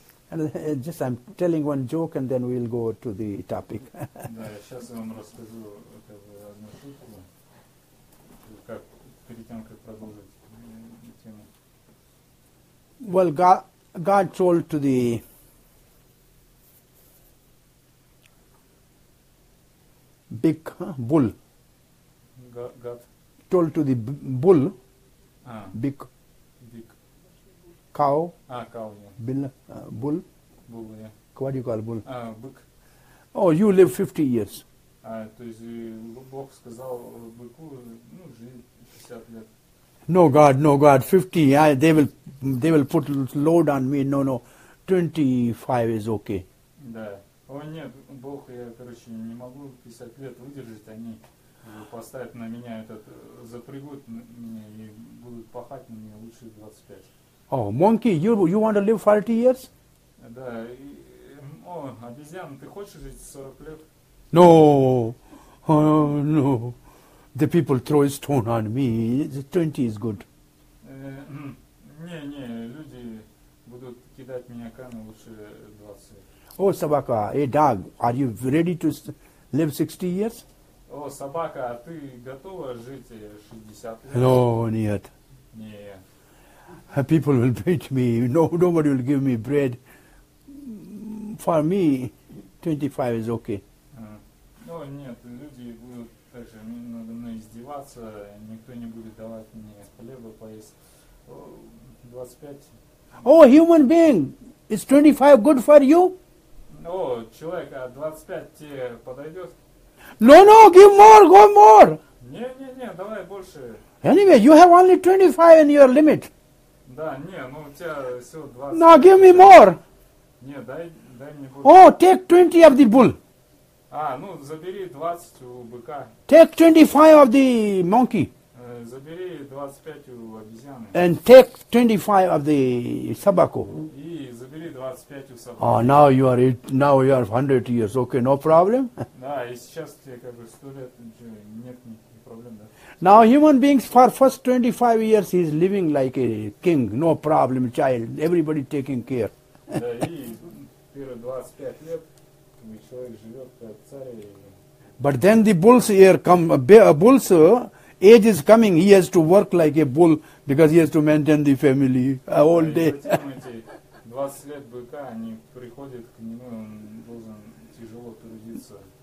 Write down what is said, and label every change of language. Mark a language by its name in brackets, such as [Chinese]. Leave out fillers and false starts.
[English] And just I'm telling one joke and then we'll go to the topic. [Russian] Да, я сейчас вам расскажу одну шутку, как перед тем, как продолжить тему. [English] Well, God told to the big bull. God told to the bull. Big. Cow. Cow. Yeah. Bull. Bull. Yeah. What do you call bull? [Russian] Бык. [English] Oh, you live 50 years. [Russian] То есть Бог сказал быку, ну, жить 50 лет. [English] No God. 50. They will put load on me. No. 25 is okay. [Russian] Да. [English] Oh, [Russian] нет, Бог, я, короче, не могу 50 лет выдержать, они поставят на меня этот, запрягут меня и будут пахать на меня лучше 25. [English] Oh, monkey, you want to live 40 years? [Russian] Да. Обезьян, ты хочешь жить 40 лет? [English] No. No. The people throw a stone on me. 20 is good. [Russian] Не, люди будут кидать меня камни, лучше 20. [English] Oh, [Russian] собака, [English] hey, dog, are you ready to live 60 years? [Russian] О, собака, а ты готова жить 60 лет? [English] No, [Russian] нет. Нет. [English] People will beat me. No, nobody will give me bread. For me, 25 is okay. [Russian] Ну, нет, люди будут также надо мной издеваться, никто не будет давать мне хлеба поесть. [English] 25. О, human being, is 25 good for you? [Russian] О, человек, а 25 тебе подойдет? [English] No, give more, go more. [Russian] Не, давай больше. [English] Anyway, you have only 25 in your limit. [Russian] Да, не, ну у тебя всего 20. [English] Now give me more. [Russian] Не, дай мне больше. [English] Oh, take 20 of the bull. [Russian] Ну забери 20 у быка. [English] Take 25 of the monkey. [Russian] Забери 25 у обезьяны. [English] And take 25 of the [Russian] собаку. И забери 25 у собаки. [English] Now you are 100 years, okay, no problem. [Russian] Да, и сейчас тебе как бы 100 лет, нет никаких проблем, да? [English] Now human beings for first 25 years he is living like a king, no problem, child, everybody taking care. [Russian] Да, и первые 25 лет человек живет как царь. [English] But then the bulls here come, bulls, age is coming, he has to work like a bull because he has to maintain the family all day. [Russian] 20 лет быка, они приходят к нему, он должен тяжело трудиться.